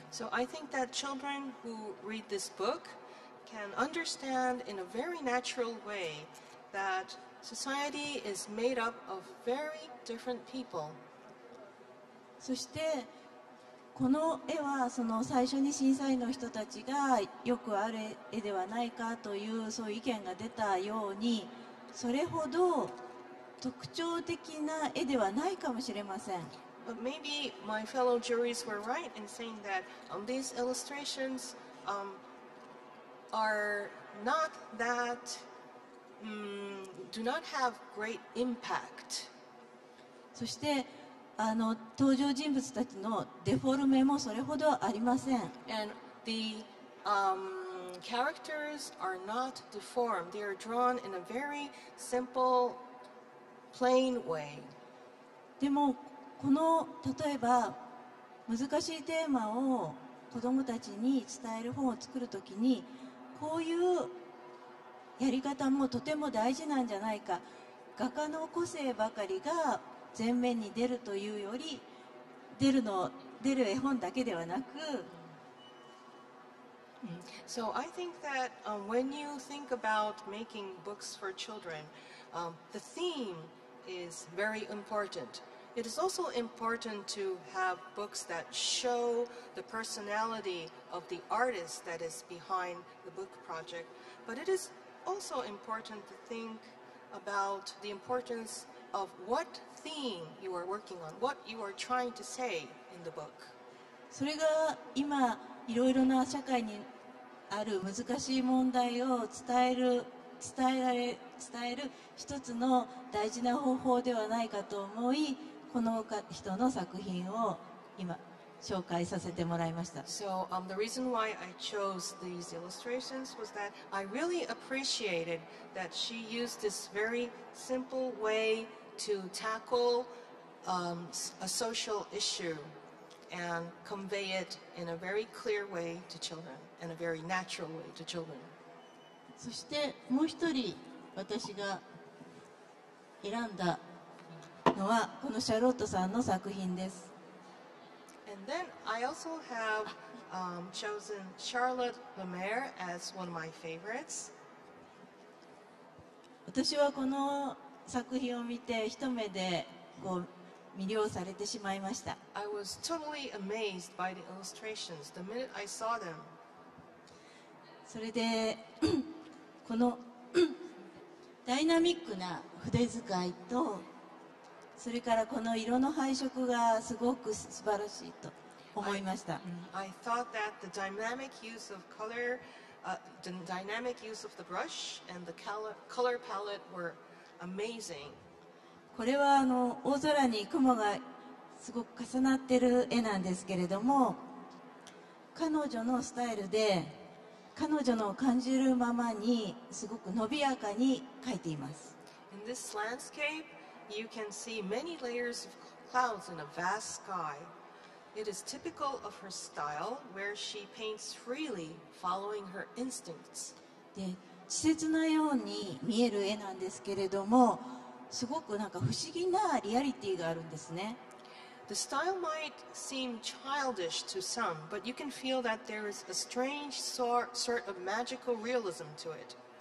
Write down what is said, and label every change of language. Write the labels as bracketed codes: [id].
[en] So I think that children who read this book can understand in a very natural way thatSociety is made up of very different people. [ja] そしてこの絵はその最初に審査員の人たちがよくある絵ではないかというそういう意見が出たように、それほど特徴的な絵ではないかもしれません。 [en] But maybe my fellow juries were right in saying that these illustrations are not thatdo not have great impact. [ja] そして登場人物たちのデフォルメもそれほどありません。 [en] And the characters are not deformed. They are drawn in a very simple, plain way. [ja] でもこの例えば難しいテーマを子どもたちに伝える本を作るときに、こういうやり方もとても大事なんじゃないか、画家の個性ばかりが前面に出るというより、出る絵本だけではなく、 [en] So I think that when you think about making books for children, the theme is very important. It is also important to have books that show the personality of the artist that is behind the book project, but it isAlso important to think about the importance of what theme you are working on, what you are trying to say in the book. [ja] それが今いろいろな社会にある難しい問題を伝える一つの大事な方法ではないかと思い、この人の作品を今紹介させてもらいました。 [en] So, the reason why I chose these illustrations was that I really appreciated that she used this very simple way to tackle a social issue and convey it in a very clear way to children, in a very natural way to children. [ja] そしてもう一人私が選んだのはこのシャロットさんの作品です。 [en] And then I also have chosen Charlotte Lemaire as one of my favorites. [ja] 私はこの作品を見て一目でこう魅了されてしまいました。 [en] I was totally amazed by the illustrations the minute I saw them. [ja] それでこのダイナミックな筆使いと、それからこの色の配色がすごく素晴らしいと思いました。 [en] I thought that the dynamic use of color, the dynamic use of the brush and the color palette were amazing. [ja] これは大空に雲がすごく重なっている絵なんですけれども、彼女のスタイルで彼女の感じるままにすごく伸びやかに描いています。 [en] In this landscapeYou can see many layers of clouds in a vast sky. It is typical of her style, where she paints freely, following her instincts. [ja] で、稚拙なように見える絵なんですけれども、すごくなんか不思議なリアリティがあるんですね。 [en] The style might seem childish to some, but you can feel that there is a strange sort of magical realism to it.